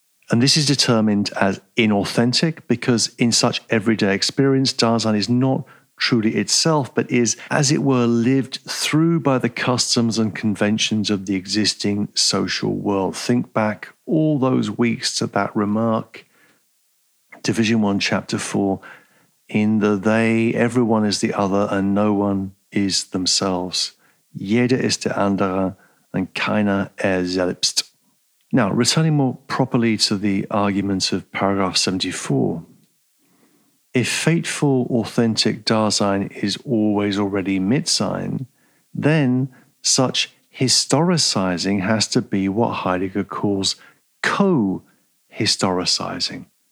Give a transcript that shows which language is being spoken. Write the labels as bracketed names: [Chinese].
[English] And this is determined as inauthentic because in such everyday experience, Dasein is not truly itself, but is, as it were, lived through by the customs and conventions of the existing social world. Think back all those weeks to that remark, Division 1, Chapter 4, in the they, everyone is the other and no one is themselves. [German] Jeder ist der andere und keiner selbst. [English] Now, returning more properly to the argument of paragraph 74, if fateful, authentic Dasein is always already Mitsein, then such historicizing has to be what Heidegger calls co-historicizing.